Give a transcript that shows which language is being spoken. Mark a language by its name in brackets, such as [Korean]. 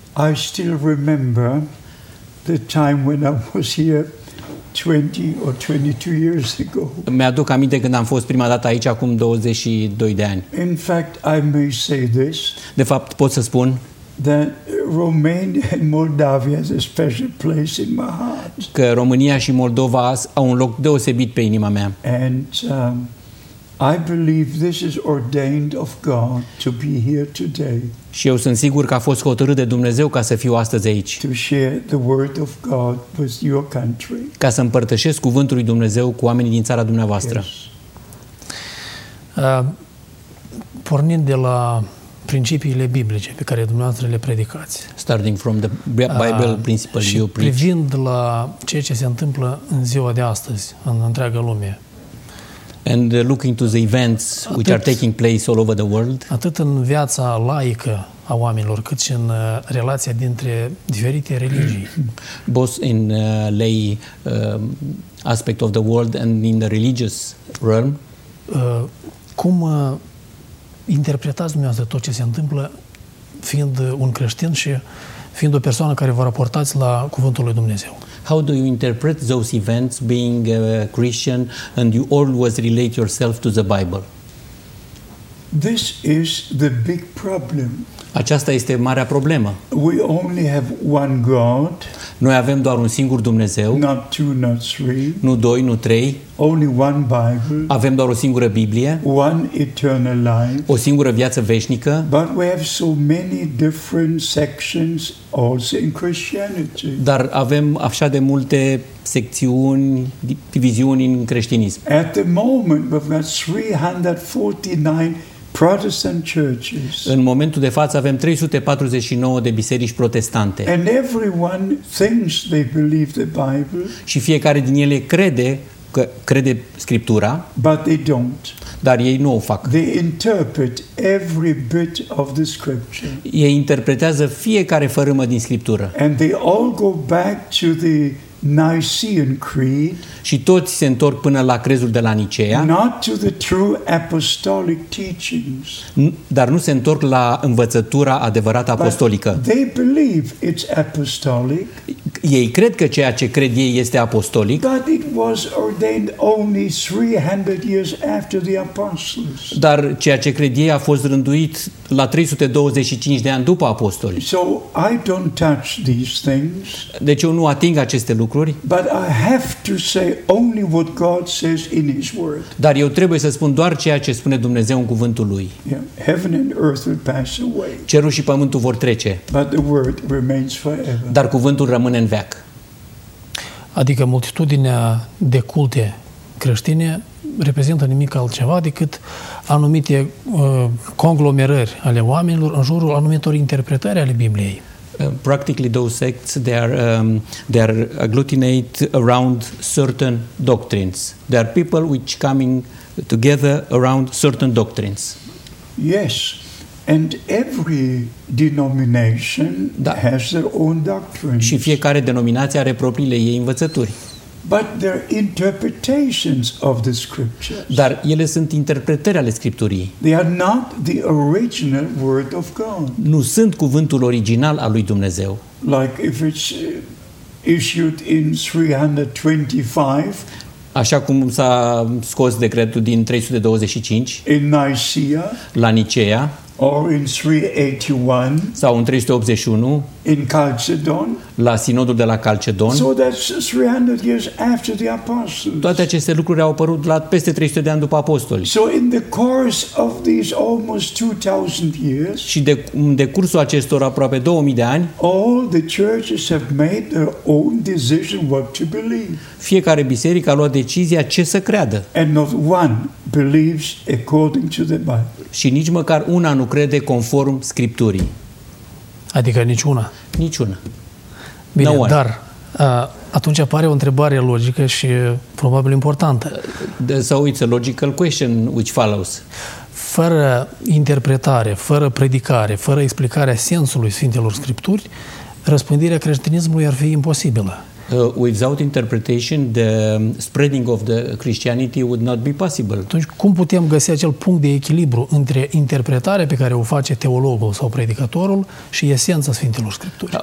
[English] I still remember the time when I was here 20 or 22 years ago. [Romanian] Mi-aduc aminte când am fost prima dată aici acum 22 de ani. [English] In fact, I may say this. [Romanian] De fapt, pot să spun [English] that Romania and Moldavia has a special place in my heart. [Romanian] Că România și Moldova au un loc deosebit pe inima mea. [English] And I believe this is ordained of God to be here today. [Romanian] Și eu sunt sigur că a fost hotărât de Dumnezeu ca să fiu astăzi aici. [English] To share the word of God with your country. [Romanian] Ca să împărtășesc cuvântul lui Dumnezeu cu oamenii din țara dumneavoastră. [English] Yes. [Romanian] Pornind de la principiile biblice pe care dumneavoastră le predicați. [English] Starting from the Bible principles you preach. [Romanian] Privind la ceea ce se întâmplă în ziua de astăzi, în întreaga lume. [English] And looking to the events which are taking place all over the world. [Romanian] Atât în viața laică a oamenilor, cât și în relația dintre diferite religii. [English] Both in lay aspect of the world and in the religious realm. [Romanian] Cum interpretați dumneavoastră tot ce se întâmplă fiind un creștin și fiind o persoană care vă raportați la cuvântul lui Dumnezeu? [English] How do you interpret those events being a Christian and you always relate yourself to the Bible? This is the big problem. [Romanian] Aceasta este marea problemă. [English] We only have one God. [Romanian] Noi avem doar un singur Dumnezeu. [English] Not two, not three. [Romanian] Nu doi, nu trei. [English] Only one Bible. [Romanian] Avem doar o singură Biblie. [English] One eternal life. [Romanian] O singură viață veșnică. [English] But we have so many different sections also in Christianity. [Romanian] Dar avem așa de multe secțiuni, diviziuni în creștinism. [English] At the moment we've got 349 Protestant churches. [Romanian] În momentul de față avem 349 de biserici protestante. [English] And everyone thinks they believe the Bible. [Romanian] Și fiecare din ele crede că crede Scriptura. [English] But they don't. [Romanian] Dar ei nu o fac. [English] They interpret every bit of the scripture. [Romanian] Ei interpretează fiecare fărâmă din Scriptură. [English] And they all go back to the Nicene Creed. [Romanian] Și toți se întorc până la crezul de la Nicea. [English] Not to the true apostolic teachings. [Romanian] Dar nu se întorc la învățătura adevărată apostolică. [English] But they believe it's apostolic. [Romanian] Ei cred că ceea ce cred ei este apostolic. [English] But it was ordained only 300 years after the apostles. [Romanian] Dar ceea ce cred ei a fost rânduit la 325 de ani după apostoli. [English] So I don't touch these things. [Romanian] Deci eu nu ating aceste lucruri. [English] But I have to say only what God says in his word. [Romanian] Dar eu trebuie să spun doar ceea ce spune Dumnezeu în cuvântul lui. [English] Yeah. Heaven and earth will pass away. [Romanian] Cerul și pământul vor trece. [English] But the word remains forever. [Romanian] Dar cuvântul rămâne în veac. Adică multitudinea de culte creștine reprezintă nimic altceva decât anumite conglomerări ale oamenilor în jurul anumitor interpretări ale Bibliei. [English] Practically those sects they are agglutinate around certain doctrines. There are people which coming together around certain doctrines. Yes. And every denomination has their own doctrines. [Romanian] Și fiecare denominație are propriile ei învățături. [English] But their interpretations of the scriptures. [Romanian] Dar ele sunt interpretări ale Scripturii. [English] They are not the original word of God. [Romanian] Nu sunt cuvântul original al lui Dumnezeu. [English] Like if it's issued in 325. [Romanian] Așa cum s-a scos decretul din 325. [English] In Nicaea. [Romanian] La Nicea. [English] Or in 381, [Romanian] sau în 381, [English] in Chalcedon, [Romanian] la sinodul de la Chalcedon. [English] So that's 300 years after the apostles. [Romanian] Toate aceste lucruri au apărut la peste 300 de ani după apostoli. [English] So in the course of these almost 2000 years, [Romanian] și în decursul acestor aproape 2000 de ani, [English] all the churches have made their own decision what to believe. [Romanian] Fiecare biserică a luat decizia ce să creadă. [English] And not one believes according to the Bible. [Romanian] Și nici măcar una nu crede conform Scripturii. Adică niciuna. Niciuna. Bine, no, dar atunci apare o întrebare logică și probabil importantă. [English] So it's a logical question which follows. [Romanian] Fără interpretare, fără predicare, fără explicarea sensului Sfintelor Scripturi, răspândirea creștinismului ar fi imposibilă. [English] Without interpretation, the spreading of the Christianity would not be possible. [Romanian] Atunci, cum putem găsi acel punct de echilibru între interpretarea pe care o face teologul sau predicatorul și esența Sfintelor Scripturii?